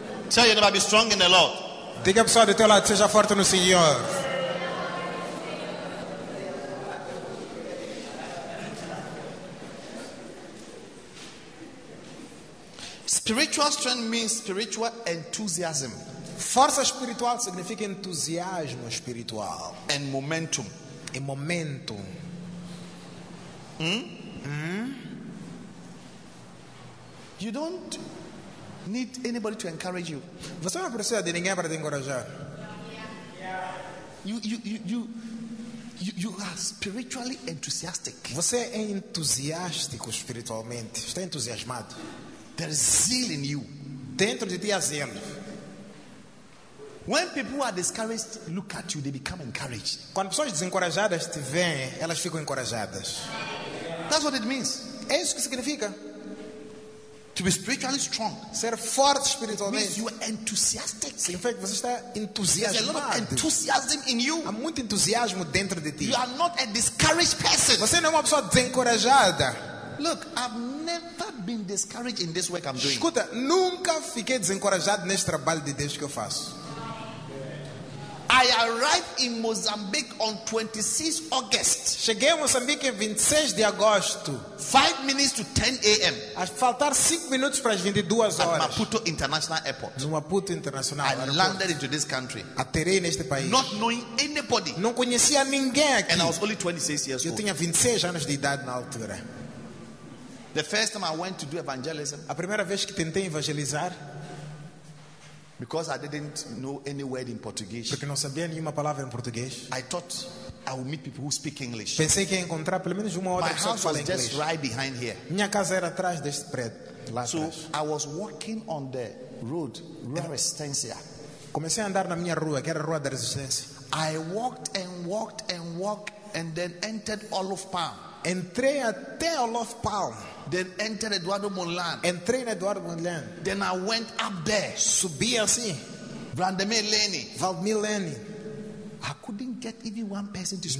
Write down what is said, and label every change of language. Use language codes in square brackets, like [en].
[en] Tell your neighbor, be strong in the Lord. [pt] Diga a pessoa do teu lado, seja forte no Senhor. [en] Spiritual strength means spiritual enthusiasm. [pt] Força espiritual significa entusiasmo espiritual. [en] And momentum. [pt] E momentum. [en] You don't need anybody to encourage you. [pt] Você não precisa de ninguém para te encorajar. [en] You are spiritually enthusiastic. [pt] Você é entusiástico espiritualmente. Está entusiasmado. [en] There is zeal in you. [pt] Dentro de ti há zelo. [en] When people are discouraged, look at you, they become encouraged. [pt] Quando pessoas desencorajadas te veem, elas ficam encorajadas. [en] That's what it means. [pt] É isso que significa. [en] To be spiritually strong. [pt] Ser forte espiritualmente. [en] Means you are enthusiastic. [pt] Sim, em fato, você está entusiasmado. [en] There's a lot of enthusiasm in you. [pt] Há muito entusiasmo dentro de ti. [en] You are not a discouraged person. [pt] Você não é uma pessoa desencorajada. [en] Look, I've never been discouraged in this work I'm doing. [pt] Escuta, nunca fiquei desencorajado neste trabalho de Deus que eu faço. [en] I arrived in Mozambique on 26 August. [pt] Cheguei em Moçambique em 26 de agosto. [en] 5 minutes to 10 a.m. [pt] A faltar 5 minutos para as 22 horas. [en] At Maputo International Airport. [pt] No Maputo International [en] Airport. I landed into this country. [pt] Aterrei neste país. [en] Not knowing anybody. [pt] Não conhecia ninguém aqui. [en] And I was only 26 years old. [pt] Eu tinha 26 anos de idade na altura. [en] The first time I went to do evangelism. [pt] A primeira vez que tentei evangelizar. [en] Because I didn't know any word in Portuguese. [pt] Porque não sabia nenhuma palavra em português. [en] I thought I would meet people who speak English. [pt] Pensei que ia encontrar pelo menos uma outra pessoa que fala inglês. [en] My house was just right behind here. [pt] Minha casa era atrás deste prédio. [en] So I was walking on the road, Rua Resistência. [pt] Comecei a andar na minha rua, que era a Rua da Resistência. [en] I walked and walked and walked and then entered Olive Palm. [pt] Entrei até Olof Palm. [en] Then entered Eduardo Mondlane. [pt] Entrei na Eduardo Mondlane. [en] Then I went up there. [pt] Subi assim. [en] Vladimir Lenny. I couldn't get even one person to speak.